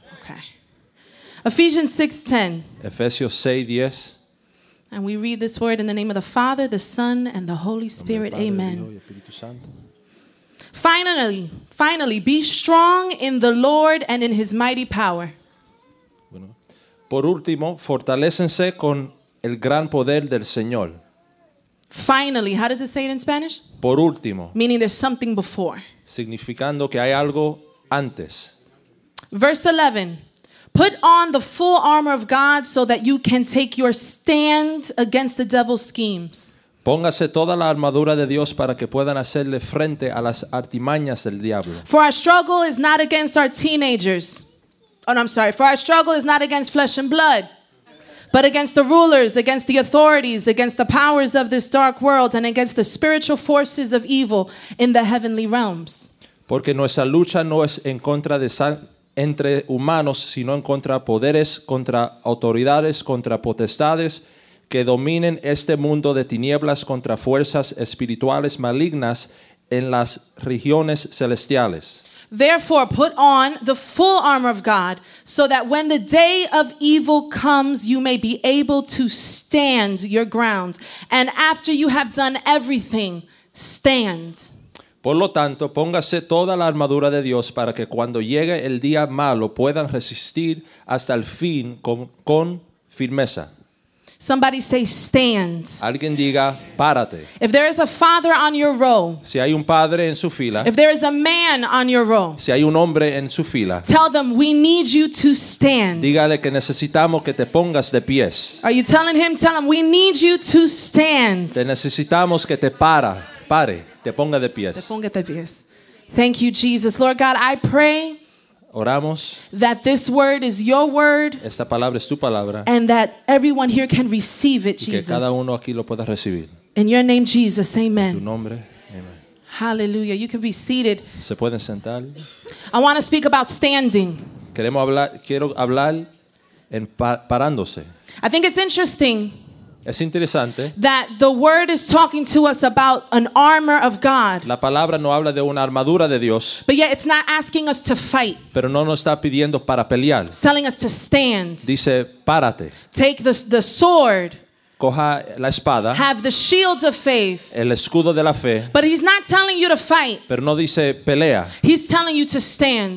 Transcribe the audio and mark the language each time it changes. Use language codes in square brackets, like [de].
[en] Okay. Ephesians 6:10. [es] Efesios 6:10. [en] And we read this word in the name of the Father, the Son, and the Holy Spirit. [es] Padre, [en] Amen. [es] Hijo y Espíritu Santo. [en] Finally, be strong in the Lord and in his mighty power. [es] Por último, fortalécense con el gran poder del Señor. [en] Finally, how does it say it in Spanish? [es] Por último. [en] Meaning there's something before. [es] Significando que hay algo antes. [en] Verse 11. Put on the full armor of God so that you can take your stand against the devil's schemes. [es] Póngase toda la armadura de Dios para que puedan hacerle frente a las artimañas del diablo. [en] For our struggle is not against our teenagers. Oh, no, I'm sorry. For our struggle is not against flesh and blood, but against the rulers, against the authorities, against the powers of this dark world, and against the spiritual forces of evil in the heavenly realms. [es] Porque nuestra lucha no es en contra de entre humanos, sino en contra poderes, contra autoridades, contra potestades que dominen este mundo de tinieblas, contra fuerzas espirituales malignas en las regiones celestiales. [en] Therefore, put on the full armor of God so that when the day of evil comes, you may be able to stand your ground. And after you have done everything, stand. [es] Por lo tanto, póngase toda la armadura de Dios para que cuando llegue el día malo puedan resistir hasta el fin con firmeza. [en] Somebody say stand. [es] Alguien diga párate. [en] If there is a father on your row. [es] Si hay un padre en su fila. [en] If there is a man on your row. [es] Si hay un hombre en su fila. [en] Tell them we need you to stand. [es] Dígale que necesitamos que te pongas de pies. [en] Are you telling him? Tell him we need you to stand. [es] Te necesitamos que te para, pare, te ponga de pies. Te ponga de pies. [en] Thank you, Jesus. Lord God, I pray. [es] Oramos [en] that this word is your word. [es] Esta palabra es tu palabra. [en] And that everyone here can receive it, Jesus. [es] Y que cada uno aquí lo pueda recibir. [en] In your name, Jesus. Amen. [es] En tu nombre. Amen. [en] Hallelujah. You can be seated. [es] Se pueden sentar. [en] I want to speak about standing. [es] Queremos hablar, quiero hablar en parándose. [en] I think it's interesting. [es] Es interesante. [en] That the word is talking to us about an armor of God. [es] La palabra no habla de una armadura de Dios. [en] But yet it's not asking us to fight. [es] Pero no nos está pidiendo para pelear. [en] It's telling us to stand. [es] Dice, párate. [en] Take the sword. [es] Coja la espada. [en] Have the shield of faith. [es] El escudo de la fe. [en] But he's not telling you to fight. [es] Pero no dice pelea. [en] He's telling you to stand.